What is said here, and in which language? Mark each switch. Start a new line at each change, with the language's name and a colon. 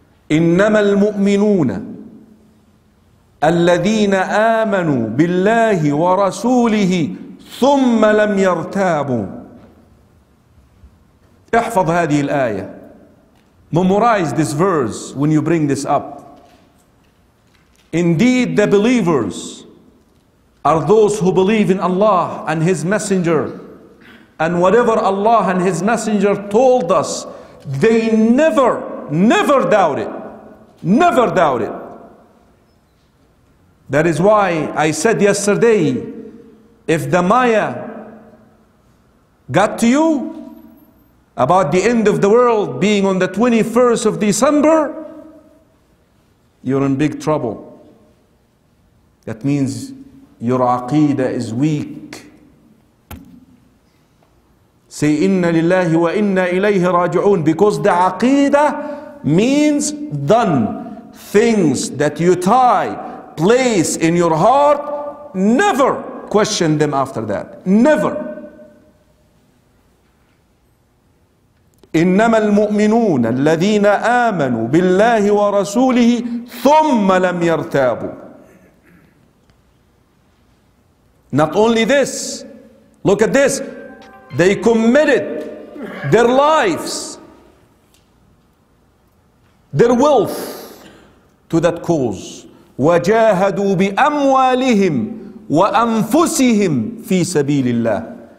Arabic: إنما المؤمنون الذين آمنوا بالله ورسوله ثم لم يرتابوا. احفظ هذه الآية.
English: Memorize this verse when you bring this up. Indeed, the believers are those who believe in Allah and His Messenger, and whatever Allah and His Messenger told us, they never, never doubt it. Never doubt it. That is why I said yesterday, if the Maya got to you about the end of the world being on the 21st of December, you're in big trouble. That means your aqeedah is weak. Say,
Arabic: inna lillahi wa inna ilayhi raji'un.
English: Because the aqeedah means done. Things that you tie, place in your heart, never question them after that. Never.
Arabic: إنما المؤمنون الذين آمنوا بالله ورسوله ثم لم يرتابوا.
English: Not only this, look at this. They committed their lives, their wealth to that cause.
Arabic: وجاهدوا بأموالهم وأنفسهم في سبيل الله.